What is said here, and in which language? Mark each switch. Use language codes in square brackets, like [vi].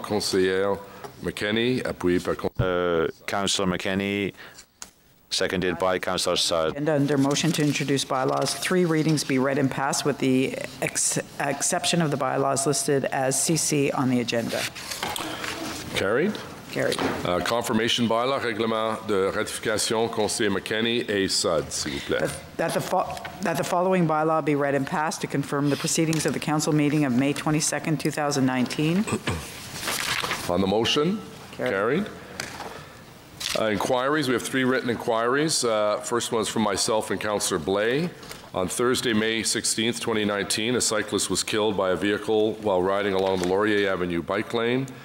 [fr] Conseiller McKenney, appuyé par... [en] Councillor McKenney. Seconded by Councillor Saad. And under motion to introduce bylaws, 3 readings be read and passed with the exception of the bylaws listed as CC on the agenda. Carried. Carried. [fr] Confirmation bylaw, règlement de ratification, Conseiller McKenney et Sud, s'il vous plaît. [en] That the following bylaw be read and passed to confirm the proceedings of the council meeting of May 22nd, 2019. On the motion? Carried. Carried. Inquiries, we have three written inquiries. First one is from myself and Councillor Blay. On Thursday, May 16th, 2019, a cyclist was killed by a vehicle while riding along the Laurier Avenue bike lane.